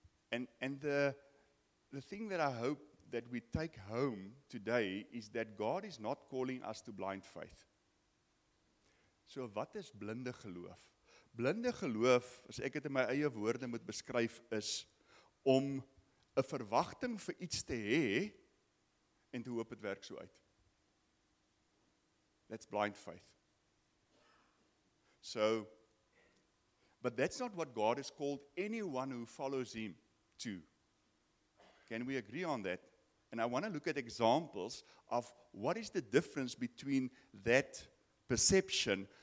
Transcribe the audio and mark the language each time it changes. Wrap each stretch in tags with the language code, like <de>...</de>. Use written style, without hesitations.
<en>And the thing that I hope that we take home today is that God is not calling us to blind faith.</en> <af>So wat is blinde geloof? Blinde geloof, as ek het in my eie woorde moet beskryf, is om 'n verwagting vir iets te hê en te hoop het werk so uit.</af> <en>That's blind faith. So, but that's not what God has called anyone who follows Him to. Can we agree on that? And I want to look at examples of what is the difference between that perception.</en>